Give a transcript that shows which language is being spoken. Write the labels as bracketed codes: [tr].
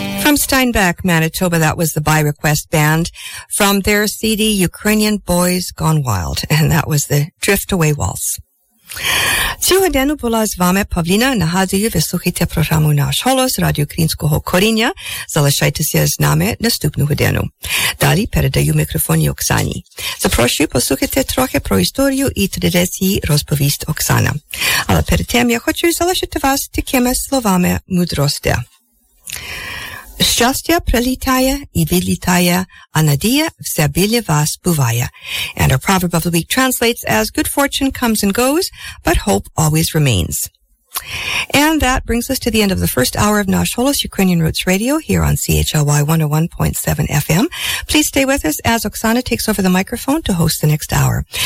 [en] Steinbeck, Manitoba, that was the By Request Band from their CD, Ukrainian Boys Gone Wild, and that was the Drift Away Waltz. [uk] Цю годину була з вами Павліна. Нагадую, ви слухаєте програму «Наш голос» Радіо Українського коріння. Залишайтеся з нами наступну годину. Далі передаю мікрофон Оксані. Запрошую послухати трохи про історію і традиції розповість Оксана. Але перед тим я хочу залишити вас такими словами мудрості. Щастя прилітає і відлітає, а надія все біля вас буває. [en] And our proverb of the week translates as good fortune comes and goes, but hope always remains. And that brings us to the end of the first hour of Nash Holos Ukrainian Roots Radio here on CHLY 101.7 FM. Please stay with us as Oksana takes over the microphone to host the next hour.